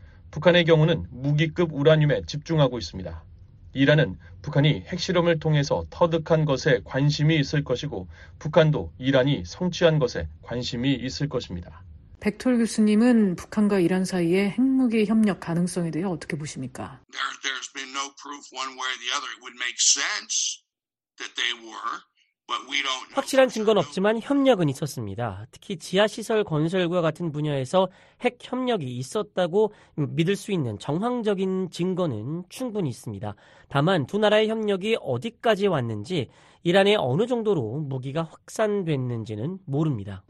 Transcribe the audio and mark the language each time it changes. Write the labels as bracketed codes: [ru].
[ko] 북한의 경우는 무기급 우라늄에 집중하고 있습니다. 이란은 북한이 핵실험을 통해서 터득한 것에 관심이 있을 것이고 북한도 이란이 성취한 것에 관심이 있을 것입니다. 백톨 교수님은 북한과 이란 사이의 핵무기 협력 가능성에 대해 어떻게 보십니까? [en] There's been no proof one way or the other. It would make sense that they were, but we don't know. [ko] 확실한 증거는 없지만 협력은 있었습니다. 특히 지하시설 건설과 같은 분야에서 핵 협력이 있었다고 믿을 수 있는 정황적인 증거는 충분히 있습니다. 다만 두 나라의 협력이 어디까지 왔는지 이란에 어느 정도로 무기가 확산됐는지는 모릅니다.